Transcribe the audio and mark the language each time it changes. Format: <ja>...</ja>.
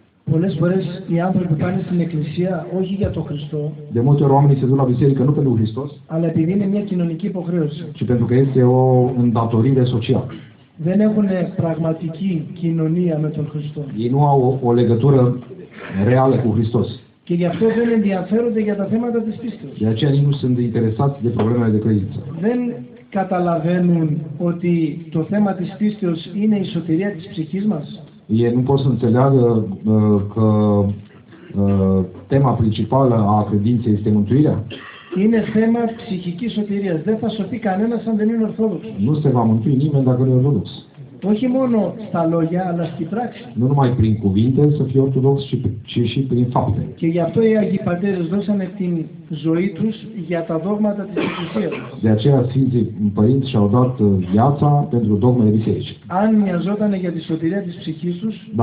<el>Πολλές φορές οι άνθρωποι πάνε στην εκκλησία όχι για τον Χριστό.</el> <ro>De multe ori oamenii se duc la biserică nu pentru Hristos.</ro> <el>Αλλά επειδή είναι μια κοινωνική υποχρέωση.</el> <ro>Și pentru că este o îndatorire socială.</ro> <el>Δεν έχουν πραγματική κοινωνία με τον Χριστό.</el> <ro>Ei nu au o legătură reală cu Hristos.</ro> <el>Και γι' αυτό δεν ενδιαφέρονται για τα θέματα της πίστης.</el> <ro>De aceea nu sunt interesați de problemele de credință.</ro> <el>Δεν καταλαβαίνουν ότι το θέμα της πίστης είναι η σωτηρία της ψυχής μας.</el> <ro>Ei nu pot să înțeleagă că tema principală a credinței este mântuirea.</ro> <el>Είναι θέμα ψυχικής σωτηρίας. Δεν θα σωθεί κανένας αν δεν είναι ορθόδοξος.</el> <ro>Nu se va mântui nimeni dacă nu e ορθόδοξος.</ro> <el>Όχι μόνο στα λόγια, αλλά στη πράξη.</el> <ro>Nu numai prin cuvinte să fie ορθόδοξος, ci și prin fapte.</ro> <el>Και γι' αυτό οι Άγιοι Πατέρες δώσανε την ζωή τους για τα δόγματα της Εκκλησίας.</el> <ro>De aceea Sfinții Părinți și-au dat viața pentru dogmele Bisericii.</ro> <el>Αν μοιαζόταν για τη σωτηρία της ψυχής τους,</el>